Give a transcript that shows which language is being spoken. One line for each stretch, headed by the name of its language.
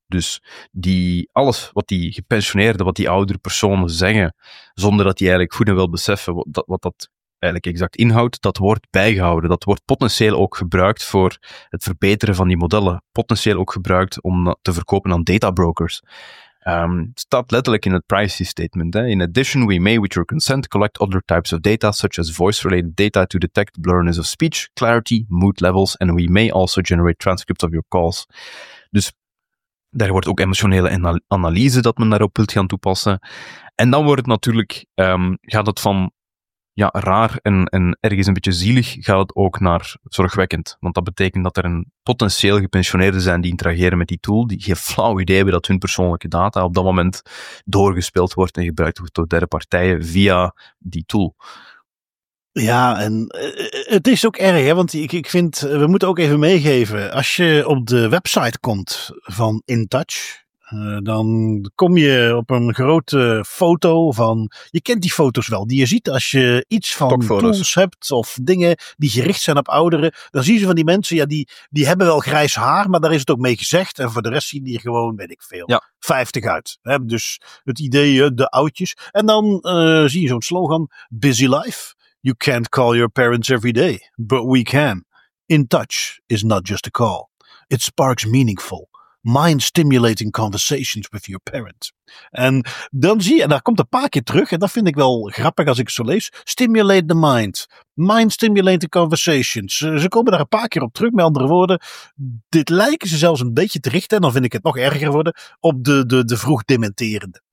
Dutch: Dus alles wat die gepensioneerden, wat die oudere personen zeggen, zonder dat die eigenlijk goed en wel beseffen wat dat eigenlijk exact inhoudt, dat wordt bijgehouden. Dat wordt potentieel ook gebruikt voor het verbeteren van die modellen. Potentieel ook gebruikt om te verkopen aan databrokers. Staat letterlijk in het privacy statement. Hè?
English: In addition, we may, with your consent, collect other types of data, such as voice-related data to detect blurriness of speech, clarity, mood levels, and we may also generate transcripts of your calls.
Dutch: Dus daar wordt ook emotionele analyse dat men daarop wilt gaan toepassen. En dan wordt het natuurlijk, gaat het van ja, raar en ergens een beetje zielig, gaat het ook naar zorgwekkend. Want dat betekent dat er een potentieel gepensioneerden zijn die interageren met die tool, die geen flauw idee hebben dat hun persoonlijke data op dat moment doorgespeeld wordt en gebruikt wordt door derde partijen via die tool. Ja, en het is ook erg, hè, want ik vind, we moeten ook even meegeven, als je op de website komt van InTouch, dan kom je op een grote foto van, je kent die foto's wel, die je ziet als je iets van tools hebt of dingen die gericht zijn op ouderen, dan zie je van die mensen, ja, die hebben wel grijs haar, maar daar is het ook mee gezegd en voor de rest zien die er gewoon, weet ik veel, ja, 50 uit. Hè? Dus het idee, de oudjes. En dan zie je zo'n slogan,
English: busy life, you can't call your parents every day, but we can. In touch is not just a call, it sparks meaningful, mind-stimulating conversations with your parent.
Dutch: En dan zie je, en daar komt een paar keer terug, en dat vind ik wel grappig als ik het zo lees,
English: stimulate the mind, mind-stimulating conversations.
Dutch: Ze komen daar een paar keer op terug, met andere woorden, dit lijken ze zelfs een beetje te richten, en dan vind ik het nog erger worden, op de vroeg dementerende.